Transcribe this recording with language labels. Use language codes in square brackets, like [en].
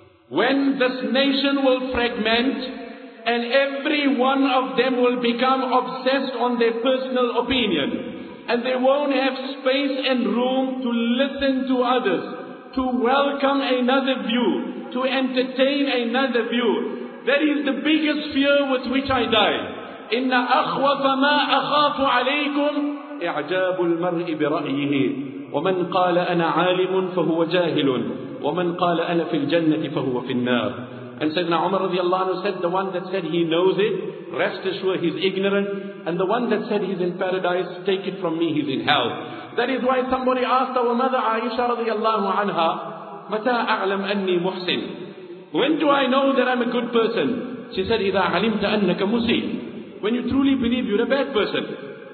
[en] When this nation will fragment, and every one of them will become obsessed on their personal opinion. And they won't have space and room to listen to others, to welcome another view, to entertain another view. That is the biggest fear with which I die. [ar] إِنَّ أَخْوَفَ مَا أَخَافُ عَلَيْكُمْ إِعْجَابُ الْمَرْءِ بِرَأْيِهِ وَمَنْ قَالَ أَنَا عَالِمٌ فَهُوَ جَاهِلٌ وَمَنْ قَالَ أَنَا فِي الْجَنَّةِ فَهُوَ فِي النَّارِ [en] And Sayyidina Umar radiallahu anhu said, the one that said he knows it, rest assured he's ignorant. And the one that said he's in paradise, take it from me, he's in hell. That is why somebody asked our mother Aisha radiallahu anha, [ar] مَتَا أَعْلَمْ أَنِّي مُحْسِنٍ [en] When do I know that I'm a good person? She said, [ar] إِذَا عَلِمْتَ أَنَّكَ مُسِيٍ [en] When you truly believe you're a bad person.